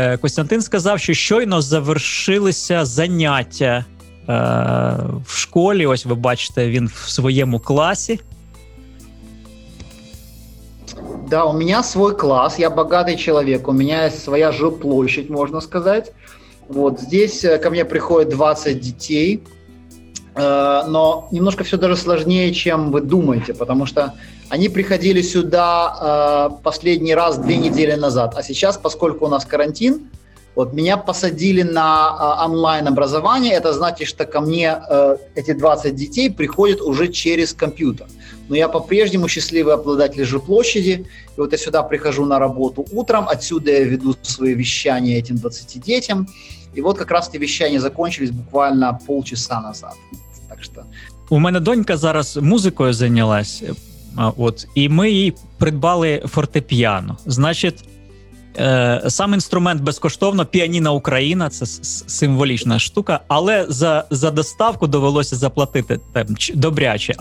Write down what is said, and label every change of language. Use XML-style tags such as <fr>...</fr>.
<uk>Костянтин сказав, що щойно завершилися заняття в школі. Ось ви бачите, він в своєму класі. Да, у мене свій клас, я багатий чоловік, у мене є своя жилплощадь, можна сказати.</uk> <ru>Вот здесь ко мне приходит 20 детей, но немножко все даже сложнее, чем вы думаете, потому что они приходили сюда последний раз 2 недели назад, а сейчас, поскольку у нас карантин, вот меня посадили на онлайн-образование, это значит, что ко мне эти 20 детей приходят уже через компьютер. Но я по-прежнему счастливый обладатель жилплощади, и вот я сюда прихожу на работу утром, отсюда я веду свои вещания этим 20 детям,</ru> <uk>і от якраз ті віщання закінчились буквально полчаса назад. Так що... У мене донька зараз музикою зайнялася, от, і ми їй придбали фортепіано. Значить, сам інструмент безкоштовно, піаніно Україна, це символічна штука, але за доставку довелося заплатити там, добряче.</uk>